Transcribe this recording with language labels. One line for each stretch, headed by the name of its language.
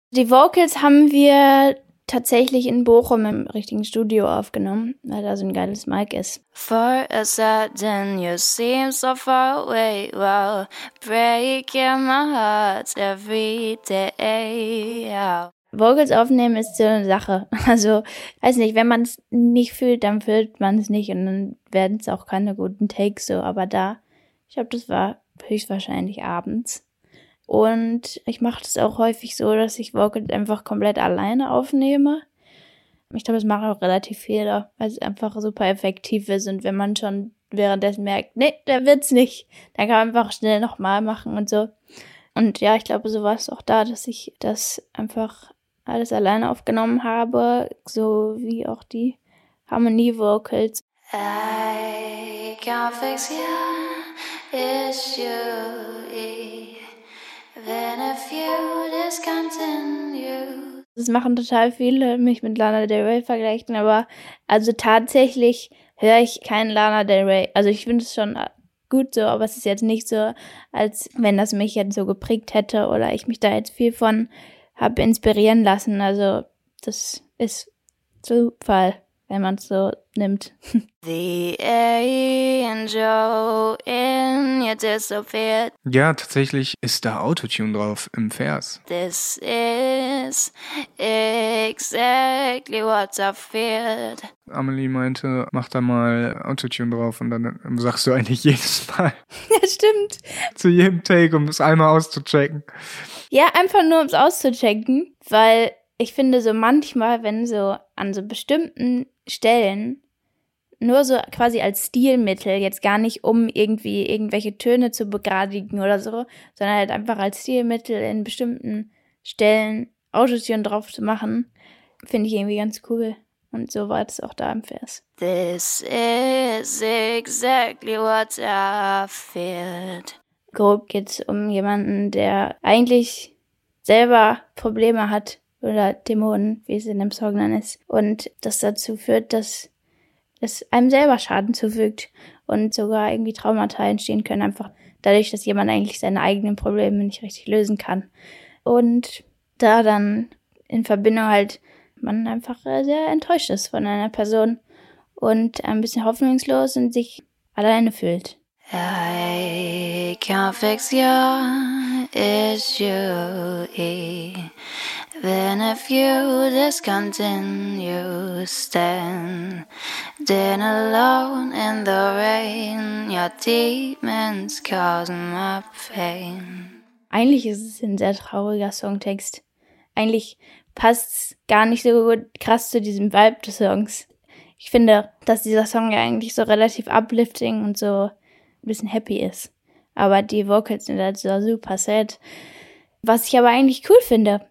German: Die Vocals haben wir tatsächlich in Bochum im richtigen Studio aufgenommen, weil da so ein geiles Mic ist.
English: For a sudden you seem so far away, wow, breaking my heart every day, yeah.
German: Vocals aufnehmen ist so eine Sache. Also, weiß nicht, wenn man es nicht fühlt, dann fühlt man es nicht und dann werden es auch keine guten Takes so. Aber da, ich glaube, das war höchstwahrscheinlich abends. Und ich mache das auch häufig so, dass ich Vocals einfach komplett alleine aufnehme. Ich glaube, das mache ich auch relativ viel, weil es einfach super effektiv ist. Und wenn man schon währenddessen merkt, nee, der wird's nicht, dann kann man einfach schnell nochmal machen und so. Und ja, ich glaube, so war es auch da, dass ich das einfach alles alleine aufgenommen habe, so wie auch die Harmonie-Vocals.
English: I can't fix your issue when a few discontinue.
German: Das machen total viele, mich mit Lana Del Rey vergleichen, aber also tatsächlich höre ich keinen Lana Del Rey. Also ich finde es schon gut so, aber es ist jetzt nicht so, als wenn das mich jetzt so geprägt hätte oder ich mich da jetzt viel von habe inspirieren lassen. Also das ist Zufall, wenn man es so nimmt.
English: The angel in you disappeared.
German: Ja, tatsächlich ist da Autotune drauf im Vers.
English: This is exactly what I feared.
German: Amelie meinte, mach da mal Autotune drauf und dann sagst du eigentlich jedes Mal. Ja, stimmt. Zu jedem Take, um es einmal auszuchecken. Ja, einfach nur, um es auszuchecken, weil ich finde so manchmal, wenn so an so bestimmten Stellen, nur so quasi als Stilmittel, jetzt gar nicht um irgendwie irgendwelche Töne zu begradigen oder so, sondern halt einfach als Stilmittel in bestimmten Stellen Autotune drauf zu machen, finde ich irgendwie ganz cool. Und so war das auch da im Vers.
English: This is exactly what I feared.
German: Grob geht es um jemanden, der eigentlich selber Probleme hat, oder Dämonen, wie es in dem Song dann ist. Und das dazu führt, dass es einem selber Schaden zufügt und sogar irgendwie Traumata entstehen können, einfach dadurch, dass jemand eigentlich seine eigenen Probleme nicht richtig lösen kann. Und da dann in Verbindung halt man einfach sehr enttäuscht ist von einer Person und ein bisschen hoffnungslos und sich alleine fühlt.
English: I can't fix your issue. Then a few discontinue, stand then alone in the rain, your demons cause my pain.
German: Eigentlich ist es ein sehr trauriger Songtext. Eigentlich passt es gar nicht so gut, krass zu diesem Vibe des Songs. Ich finde, dass dieser Song ja eigentlich so relativ uplifting und so ein bisschen happy ist. Aber die Vocals sind halt so super sad. Was ich aber eigentlich cool finde.